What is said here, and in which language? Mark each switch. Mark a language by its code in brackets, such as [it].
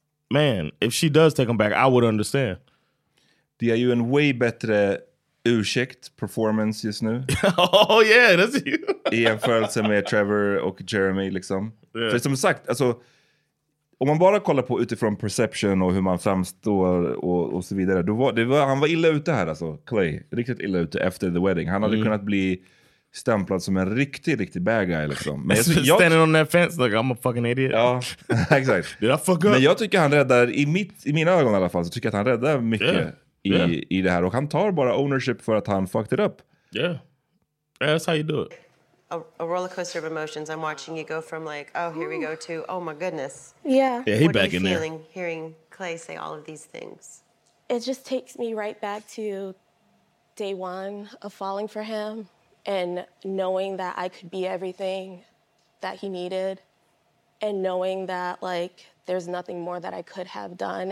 [en] Man, if she does take him back, I would understand. [sv] Det är ju en way bättre ursäkt performance just nu. [en] Oh yeah, that's you. [sv] I jämförelse med Trevor och Jeremy liksom. Yeah. För som sagt, alltså, om man bara kollar på utifrån perception och hur man framstår och så vidare, då var, han var illa ute här alltså, Clay. Riktigt illa ute efter the wedding. Han hade kunnat bli stämplad som en riktig, riktig [en] bad guy [sv] liksom. Men jag, [en] standing on that fence like I'm a fucking idiot. [sv] Ja, exakt. [en] Did I fuck up? [sv] Men jag tycker han räddar, i mina ögon i alla fall, så tycker jag att han räddar mycket i det här. Och han tar bara ownership för att han [en] fucked it up. Yeah. That's how you do it. A rollercoaster of emotions. I'm watching you go from like, oh, here we go to, oh my goodness. Yeah. Yeah, he back in there. Hearing Clay say all of these things? It just takes me right back to day one of falling for him. And knowing that I could be everything that he needed and knowing that, like, there's nothing more that I could have done.